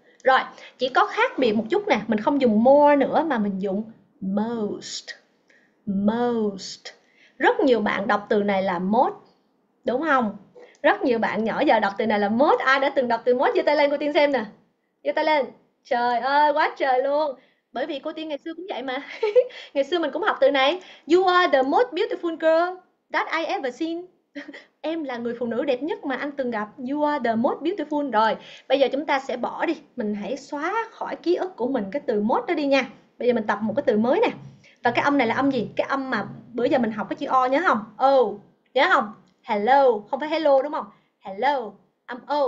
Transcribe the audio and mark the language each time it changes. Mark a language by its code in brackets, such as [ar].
[vi] Rồi, chỉ có khác biệt một chút nè. Mình không dùng more nữa mà mình dùng most. Most. Rất nhiều bạn đọc từ này là most. Đúng không? Rất nhiều bạn nhỏ giờ đọc từ này là most. Ai đã từng đọc từ most, giơ tay lên cô Tiên xem nè. Giơ tay lên. Trời ơi, quá trời luôn. Bởi vì cô Tiên ngày xưa cũng vậy mà. Ngày xưa mình cũng học từ này. [en] You are the most beautiful girl that I ever seen. [vi] Em là người phụ nữ đẹp nhất mà anh từng gặp. [en] You are the most beautiful. [vi] Rồi, bây giờ chúng ta sẽ bỏ đi. Mình hãy xóa khỏi ký ức của mình cái từ most đó đi nha. Bây giờ mình tập một cái từ mới nè. Và cái âm này là âm gì? Cái âm mà bữa giờ mình học cái chữ O nhớ không? O, nhớ không? Hello, không phải hello đúng không? Hello, âm O.